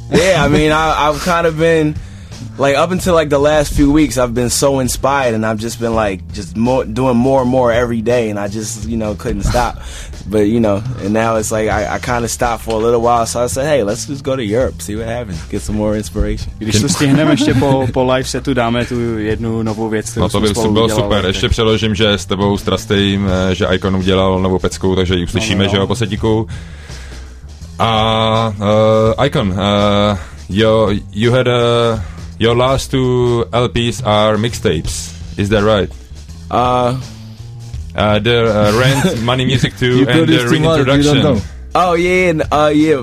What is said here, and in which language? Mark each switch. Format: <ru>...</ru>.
<en>Yeah, I mean, I've kind of been, like, up until, like, the last few weeks, I've been so inspired and I've just been, like, just more, doing more and more every day and I just, you know, couldn't stop. But, you know, and now it's like I kind of stopped for a little while. So I said, hey, let's just go to Europe, see what happens, get some more inspiration.</en> <cs>Když to stihneme ještě po live setu, dáme tu jednu novou věc, kterou no to by spolu bylo super. Ještě přeložím, že s tebou strastejím, že Icon udělal novou pecku, takže ji uslyšíme, no. Že jo, po setíku.</cs> <en>A Icon, you had your last two LPs are mixtapes. Is that right? The Rent, Money Music 2, and the Reintroduction. Oh, yeah, and, yeah.</en>